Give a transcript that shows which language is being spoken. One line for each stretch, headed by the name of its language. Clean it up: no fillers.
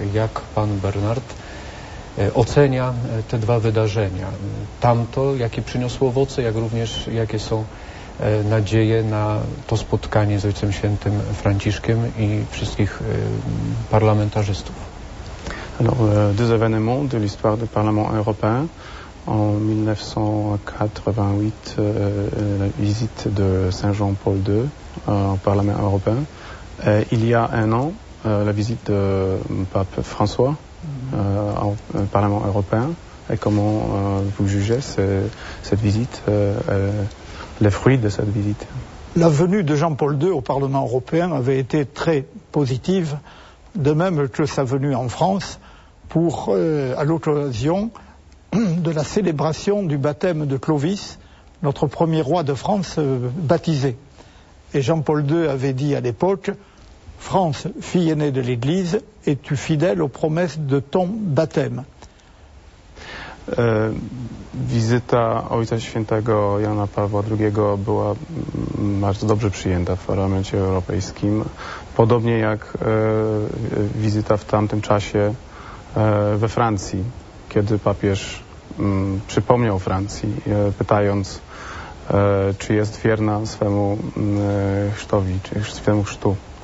Polish: Jak pan Bernard ocenia te dwa wydarzenia? Tamto, jakie przyniosło owoce, jak również jakie są nadzieje na to spotkanie z Ojcem Świętym Franciszkiem i wszystkich parlamentarzystów?
French: Alors, deux événements de l'histoire du Parlement européen. En 1988, la visite de Saint Jean-Paul II au Parlement européen. Et il y a un an, la visite de Pape François au Parlement européen. Et comment vous jugez cette visite, les fruits de cette visite? La venue de Jean-Paul II au Parlement européen avait été très positive, de même que sa venue en France. Pour, à l'occasion de la célébration du baptême de Clovis, notre premier roi de France baptisé. Et Jean-Paul II avait dit à l'époque, « France, fille aînée de l'Église, es-tu fidèle aux promesses de ton baptême ?»
Polish: Wizyta Ojca Świętego Jana Pawła II była bardzo dobrze przyjęta w Parlamencie Europejskim. Podobnie jak wizyta w tamtym czasie we Francji, kiedy papież przypomniał Francji, pytając, czy jest wierna swemu chrztowi, czy swemu chrztu.